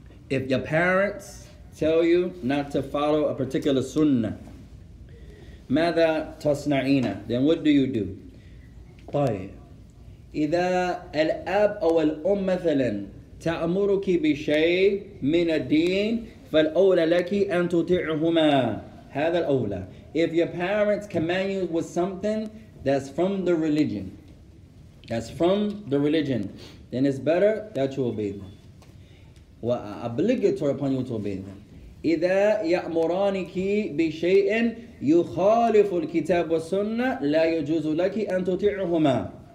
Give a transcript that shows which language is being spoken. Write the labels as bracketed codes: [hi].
[en] If your parents tell you not to follow a particular sunnah, [ar] ماذا تصنعين? [en] Then what do you do? طيب. [ar] إذا الأب أو الأم مثلا تأمرك بشيء من الدين فالأولى لك أن تطيعهما. هذا الأولى. [en] If your parents command you with something that's from the religion, then it's better that you obey them. Obligatory upon you to obey them. [ar] إِذَا يَأْمُرَانِكِ بِشَيْءٍ يُخَالِفُ الْكِتَابُ وَالسُنَّةِ لَا يُجُزُ لَكِ أَن تُطِعُهُمَا.